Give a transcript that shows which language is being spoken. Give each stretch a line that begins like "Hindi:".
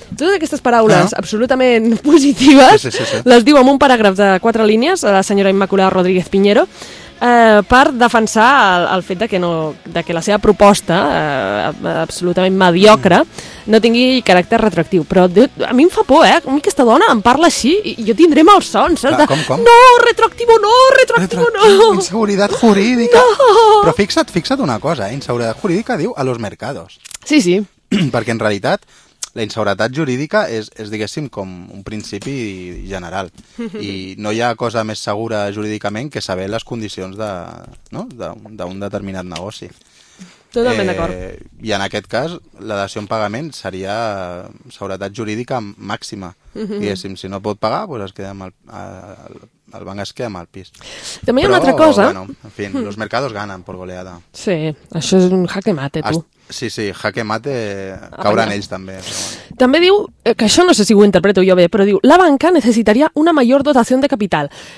Spanish: Todas estas palabras absolutamente positivas las digo en un parágrafo de cuatro líneas a la señora Inmaculada Rodríguez Piñero.
Catalan: Per defensar el fet de que la seva proposta, absolutament mediocre, no tingui caràcter retroactiu. Però a mi em fa por, eh? A mi aquesta dona em parla així i jo tindré malsons, saps? Com?
Spanish: No, retroactivo no, retroactivo no! Inseguridad jurídica! No.
Catalan: Però fixa't una cosa, eh?
Spanish: Inseguridad jurídica diu a los mercados. Sí, sí.
Catalan: Perquè en realitat la inseguretat jurídica és, diguéssim, com un principi general. I no hi ha cosa més segura jurídicament que saber les condicions de, no? d'un determinat negoci. Totalment d'acord. I en aquest cas, la dació en pagament seria seguretat jurídica màxima. Diguéssim, si no pot pagar, doncs es queda amb el banc es queda amb el pis. També hi ha una altra cosa.
Spanish: Bueno, en fi, los mercados ganan por goleada.
Catalan: Sí, això és un jaque mate, tu. Sí, sí, jaque mate cauran ells també. També diu, que això no sé si ho interpreto jo bé, però diu, la banca necessitaria una major dotació de capital.